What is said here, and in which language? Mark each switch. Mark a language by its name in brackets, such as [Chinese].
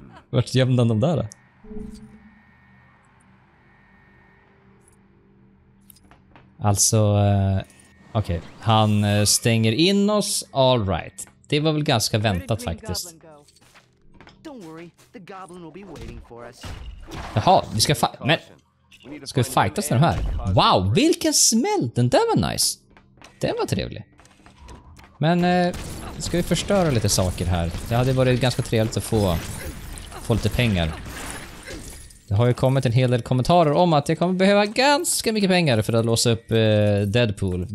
[Swedish] Vart gömde han dem där då? Alltså, okej. [English] Okay. [Swedish] Han stänger in oss. [English] All right. [Swedish] Det var väl ganska väntat faktiskt. [English] Don't worry, the goblin will be waiting for us. [Swedish] Jaha, vi ska fight. Men, ska vi fightas med den här? Wow, vilken smäll! Den där var nice. Den var trevlig. Men, ska vi förstöra lite saker här? Det hade varit ganska trevligt att få lite pengar. Det har ju kommit en hel del kommentarer om att jag kommer behöva ganska mycket pengar för att låsa upp Deadpool.